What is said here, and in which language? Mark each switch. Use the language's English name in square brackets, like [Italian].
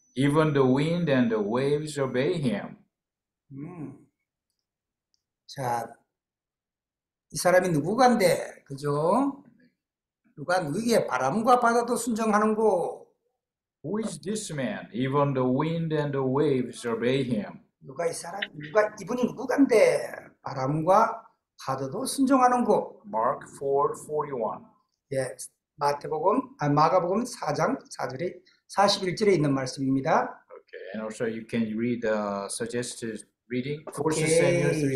[English] Even the wind and the waves obey him. [Korean] 자, 이 사람이 누구간데, 그죠? 누가 누구에게 바람과 바다도 순종하는고? [English] Who is this man? Even the wind and the waves obey him. [Korean] 누가 이 사람, 누가, 이분이 누구간데, 바람과 파도도 순종하는고? [English] Mark 4:41. [Korean] 예, 마태복음, 아, 마가복음 4장 4절이 41절에 있는 말씀입니다. [English] And also you can read the suggested reading, 1 Samuel 3,